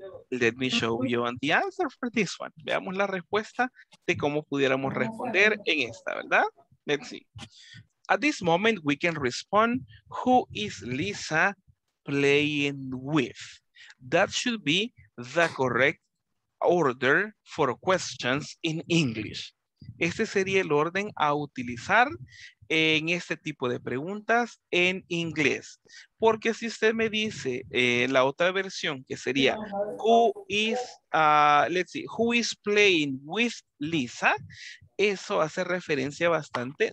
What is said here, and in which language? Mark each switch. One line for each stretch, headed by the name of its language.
English: Let me show you the answer for this one.
Spanish: Veamos la respuesta de cómo pudiéramos responder en esta, ¿verdad?
English: Let's see. At this moment, we can respond, who is Lisa playing with? That should be the correct order for questions in English.
Spanish: Este sería el orden a utilizar en este tipo de preguntas en inglés. Porque si usted me dice la otra versión, que sería
English: who is playing with Lisa,
Spanish: eso hace referencia bastante.